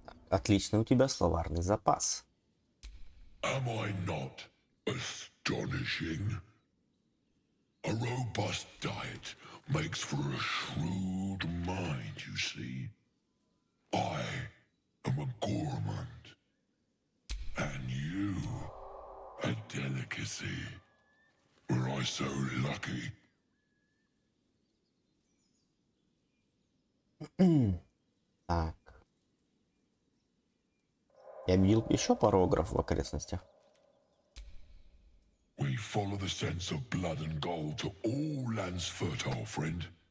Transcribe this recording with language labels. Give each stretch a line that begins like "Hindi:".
Russian: Отлично, у тебя словарный запас.
English: Am I not astonishing? A robust diet makes for a shrewd mind, you see. I am a gourmand. And you... A delicacy. Were I so lucky?
Russian: Так. Я видел еще параграф в окрестностях.
English: We follow the scents of blood and gold to all lands fertile, friend.